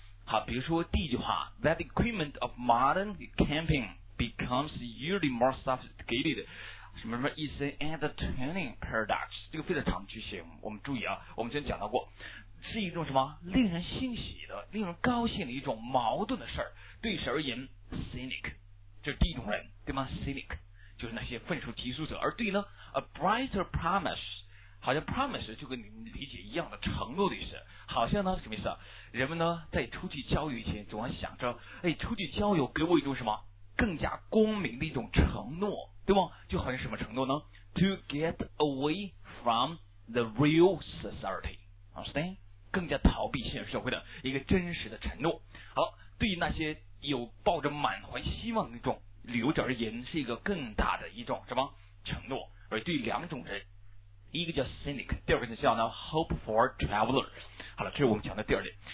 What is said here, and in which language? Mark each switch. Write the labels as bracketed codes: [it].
[zh] 好，比如说第一句话 , [en] that equipment of modern camping becomes yearly more sophisticated, [zh] 什么什么 [en] is an entertaining paradox, [zh] 这个非常常去写，我们注意啊，我们之前讲到过，是一种什么令人欣喜的令人高兴的一种矛盾的事儿，对谁而言 ,cynic, 这是第一种人对吗 ,cynic, 就是那些愤世嫉俗者，而对呢 , [en] a brighter promise, [zh] 好像 promise 就跟你们理解一样的承诺的意思，好像呢什么意思啊？人们呢在出去郊游前总要想着，哎，出去郊游给我一种什么更加光明的一种承诺，对吗？就好像什么承诺呢 [en] ？To get away from the real society， understand？ [zh] 更加逃避现实社会的一个真实的承诺。好，对于那些有抱着满怀希望的那种旅游者而言，是一个更大的一种什么承诺？而对两种人。一个叫 cynic， 第二个呢叫呢 [en] hope for traveler。 [zh] 好了，这是我们讲的第二点。